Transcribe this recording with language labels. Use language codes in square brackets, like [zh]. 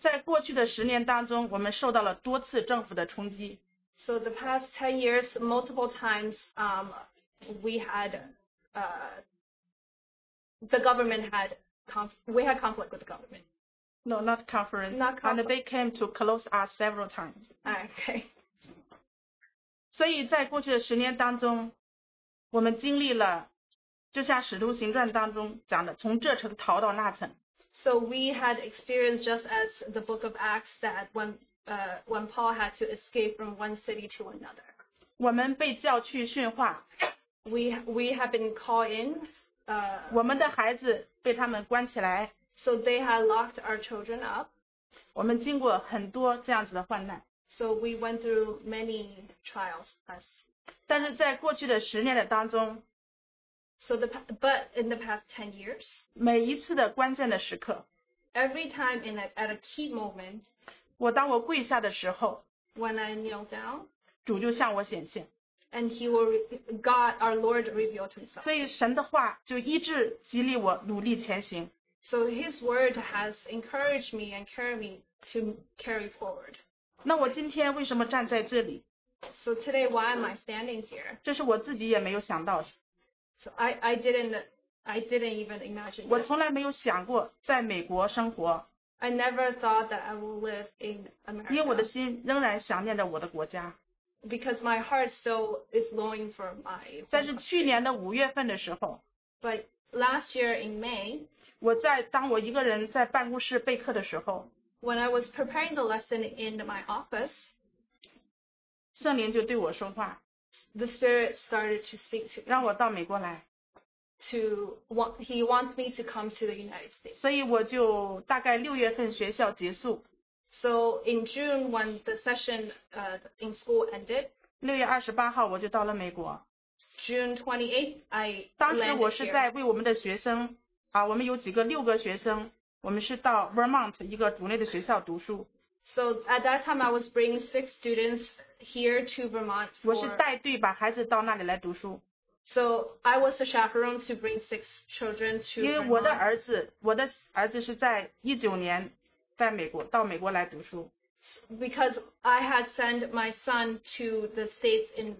[zh] 在过去的十年当中，我们受到了多次政府的冲击。 [en] So the past 10 years, multiple times, we had the government had conflict with the government. No, not conference. Not conference. And they came to close us several times. Okay. [zh] 所以在过去的10年当中, 我们经历了, 就像使徒行传当中讲的, 从这城逃到那城。 [en] So we had experienced just as the book of Acts that when Paul had to escape from one city to another. [zh] 我们被叫去训话, [en] we have been called in. [zh] 我们的孩子被他们关起来, [en] so they had locked our children up. [zh] 我们经过很多这样子的患难, [en] so we went through many trials. [zh] 但是在过去的10年的当中, [en] but in the past 10 years, [zh] 每一次的关键的时刻, [en] every time at a key moment, [zh] 我当我跪下的时候, [en] when I kneel down, [zh] 主就向我显现, [en] and God, our Lord, revealed himself. [zh] 所以神的话就一直激励我努力前行。 [en] So his word has encouraged me and carried me to carry forward. [zh] 那我今天为什么站在这里? [en] So today, why am I standing here? [zh] 这是我自己也没有想到的。 [en] So I didn't even imagine. [zh] 我从来没有想过在美国生活。 [en] I never thought that I will live in America. [zh] 因为我的心仍然想念着我的国家。 [en] Because my heart still is longing for my home. [zh] 但是去年的5月份的时候, [en] but last year in May, [zh] 当我一个人在办公室备课的时候, [en] when I was preparing the lesson in my office, [zh] 圣灵就对我说话, [en] the Spirit started to speak to me. [zh] 让我到美国来, [en] he wants me to come to the United States. [zh] 所以我就大概6月份学校结束, [en] so in June, when the session in school ended, [zh] 6月28号我就到了美国, [en] June 28th, I landed here. [zh] 当时我是在为我们的学生, 我们有几个6个学生, 我们是到 Vermont 一个主内的学校读书。 [en] So at that time I was bringing 6 students here to Vermont for... [zh] 我是带队把孩子到那里来读书。 [en] So I was a chaperone to bring 6 children to Vermont. [zh] 因为我的儿子是在19年到美国来读书。 [en] Because I had sent my son to the States in...